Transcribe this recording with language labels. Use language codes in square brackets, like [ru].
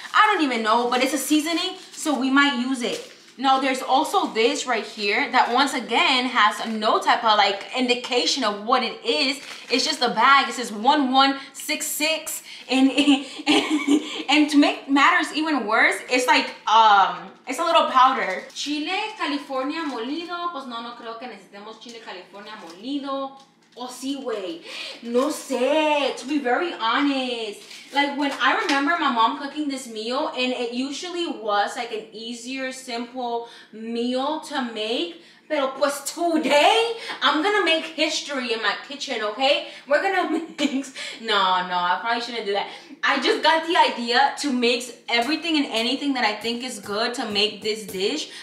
[en] I don't even know, but it's a seasoning, so we might use it. Now, there's also this right here that, once again, has no type of, like, indication of what it is. It's just a bag. It says 1166. And to make matters even worse, it's like, it's a little powder. [es] Chile California molido. Pues no, no creo que necesitemos chile California molido. Oh, sí, güey. No sé. [en] To be very honest. Like, when I remember my mom cooking this meal, and it usually was, like, an easier, simple meal to make. [es] Pero, pues, [en] today, I'm gonna make history in my kitchen, okay? We're gonna mix. No, no, I probably shouldn't do that. I just got the idea to mix everything and anything that I think is good to make this dish.